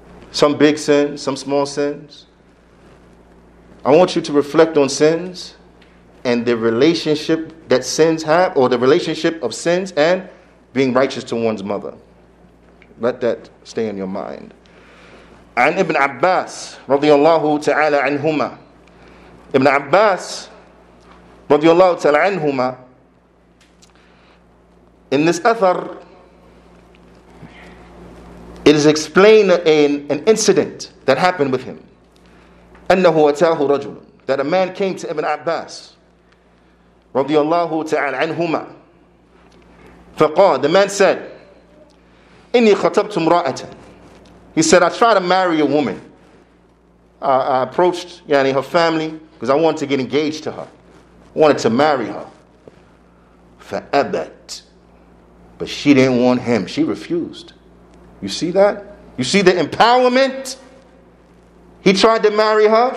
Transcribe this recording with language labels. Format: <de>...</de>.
<en>Some big sins, some small sins. I want you to reflect on sins and the relationship that sins have, or the relationship of sins and being righteous to one's mother. Let that stay in your mind.</en> <ar>عن ابن عباس رضي الله تعالى عنهما. ابن عباس رضي الله تعالى عنهما.</ar> <en>In this athar, it is explained in an incident that happened with him.</en> <ar>أنه أتاه رجل,</ar> <en>that a man came to Ibn Abbas</en> <ar>رضي الله تعالى عنهما. فقال,</ar> <en>the man said,</en> <ar>إني خطبت امرأة.</ar> <en>He said, I tried to marry a woman. I approached her family because I wanted to get engaged to her. I wanted to marry her.</en> <ar>فأبت.</ar> <en>But she didn't want him. She refused. You see that? You see the empowerment? He tried to marry her.</en>